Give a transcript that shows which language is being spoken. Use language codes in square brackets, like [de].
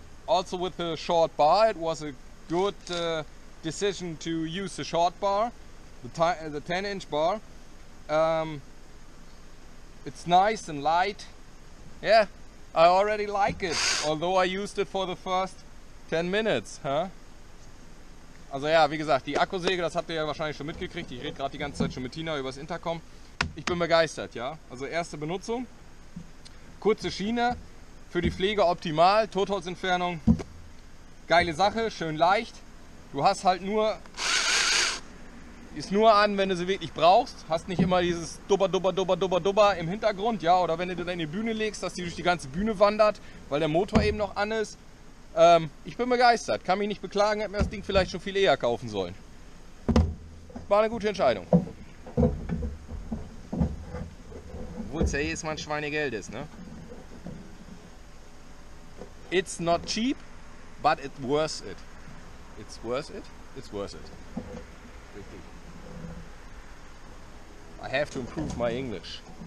[en] Also with the short bar, it was a good decision to use the short bar, the 10-inch bar. It's nice and light. Yeah, I already like it, although I used it for the first 10 minutes. Huh? [de] Also ja, wie gesagt, die Akkusäge, das habt ihr ja wahrscheinlich schon mitgekriegt. Ich rede gerade die ganze Zeit schon mit Tina über das Intercom. Ich bin begeistert, ja. Also erste Benutzung. Kurze Schiene, für die Pflege optimal. Totholzentfernung, geile Sache, schön leicht. Du hast halt nur, ist nur an, wenn du sie wirklich brauchst. Hast nicht immer dieses Dubber, Dubber, Dubber, Dubber, Dubber im Hintergrund, ja. Oder wenn du deine Bühne legst, dass die durch die ganze Bühne wandert, weil der Motor eben noch an ist. Ich bin begeistert, kann mich nicht beklagen, hätte mir das Ding vielleicht schon viel eher kaufen sollen. War eine gute Entscheidung. Obwohl es ja jedes Mal ein Schweinegeld ist, ne? [en] It's not cheap, but it's worth it. It's worth it? It's worth it. [de] Richtig. [en] I have to improve my English.